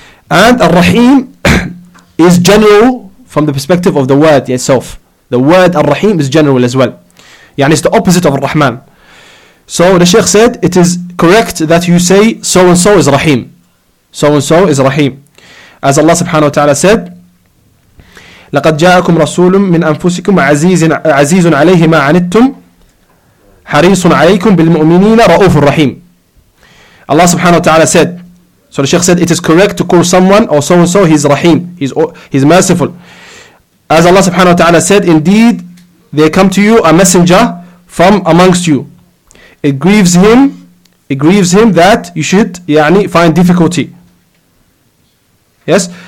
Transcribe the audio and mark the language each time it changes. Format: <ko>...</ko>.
<en>And Ar-Rahim is general from the perspective of the word itself. The word Ar-Rahim is general as well. يعني, it's the opposite of Ar-Rahman. So, the Sheikh said, it is correct that you say, so-and-so is Rahim. So-and-so is Rahim. As Allah subhanahu wa ta'ala said,</en> <ar>لقد جاءكم رسول من أنفسكم عزيز عليه ما عنتم حريص عليكم بالمؤمنين رؤوف الرحيم.</ar> <en>Allah subhanahu wa ta'ala said, so the Sheikh said, it is correct to call someone or so-and-so, he's Rahim, he's merciful. As Allah subhanahu wa ta'ala said, indeed, they come to you a messenger from amongst you. It grieves him that you should find difficulty. Yes?</en>